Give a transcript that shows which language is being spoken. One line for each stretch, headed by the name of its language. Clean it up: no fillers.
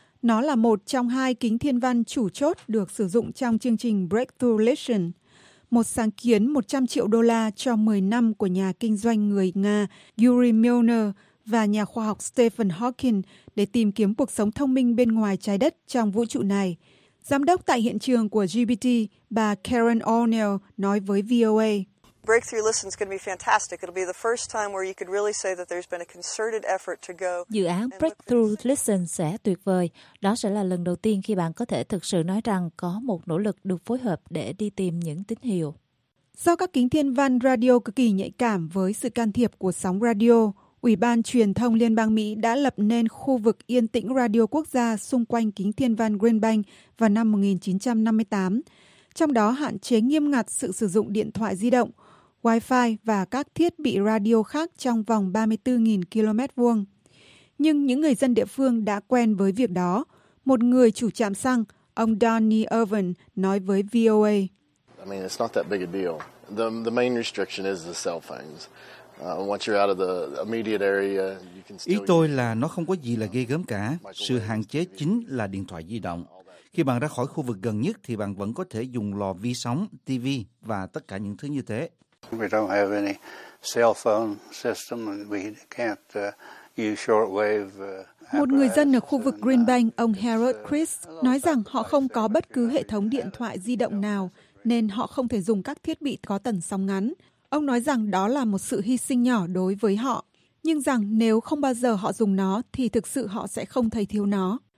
Vietnamese: Nó là một trong hai kính thiên văn chủ chốt được sử dụng trong chương trình Breakthrough Listen, một sáng kiến 100 triệu đô la cho 10 năm của nhà kinh doanh người Nga Yuri Milner và nhà khoa học Stephen Hawking để tìm kiếm cuộc sống thông minh bên ngoài trái đất trong vũ trụ này. Giám đốc tại hiện trường của GBT, bà Karen O'Neill, nói với VOA.
English: Breakthrough Listen is going to be fantastic. It'll be the first time where you could really say that there's been a concerted effort to go.
Vietnamese: Dự án Breakthrough Listen sẽ tuyệt vời. Đó sẽ là lần đầu tiên khi bạn có thể thực sự nói rằng có một nỗ lực được phối hợp để đi tìm những tín hiệu. Do các kính thiên văn radio cực kỳ nhạy cảm với sự can thiệp của sóng radio, Ủy ban Truyền thông Liên bang Mỹ đã lập nên khu vực yên tĩnh radio quốc gia xung quanh kính thiên văn Green Bank vào năm 1958. Trong đó hạn chế nghiêm ngặt sự sử dụng điện thoại di động, Wi-Fi và các thiết bị radio khác trong vòng 34.000 km2. Nhưng những người dân địa phương đã quen với việc đó. Một người chủ trạm xăng, ông Donny Irvin, nói với VOA.
English: I mean, it's not that big a deal. The main restriction is the cell phones.
Vietnamese: Ý tôi là nó không có gì là ghê gớm cả. Sự hạn chế chính là điện thoại di động. Khi bạn ra khỏi khu vực gần nhất thì bạn vẫn có thể dùng lò vi sóng, TV và tất cả những thứ như thế.
English: We don't have any cell phone system and we can't use shortwave.
Vietnamese: Một người dân ở khu vực Green Bank, ông Harold Chris, nói rằng họ không có bất cứ hệ thống điện thoại di động nào, nên họ không thể dùng các thiết bị có tần sóng ngắn. Ông nói rằng đó là một sự hy sinh nhỏ đối với họ, nhưng rằng nếu không bao giờ họ dùng nó thì thực sự họ sẽ không thấy thiếu nó.